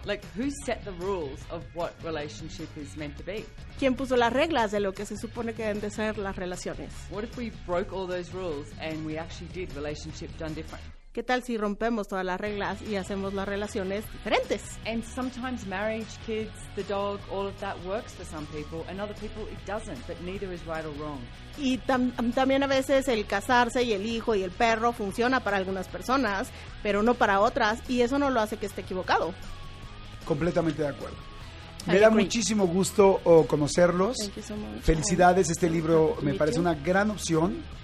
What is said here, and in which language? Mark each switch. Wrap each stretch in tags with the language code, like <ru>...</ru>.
<en>Like, who set the rules of what relationship is meant to be?</en> <es>¿Quién puso las reglas de lo que se supone que deben de ser las relaciones?</es> <en>What if we broke all those rules and we actually did relationship done different?</en> <es>¿Qué tal si rompemos todas las reglas y hacemos las relaciones diferentes?</es> <en>And sometimes marriage, kids, the dog, all of that works for some people, and other people it doesn't, but neither is right or wrong.</en> <es>Y también a veces el casarse y el hijo y el perro funciona para algunas personas, pero no para otras, y eso no lo hace que esté equivocado. Completamente de acuerdo. Me da muchísimo gusto conocerlos.</es> <en>Thank you so much.</en> <es>Felicidades, este libro me parece una gran opción.</es>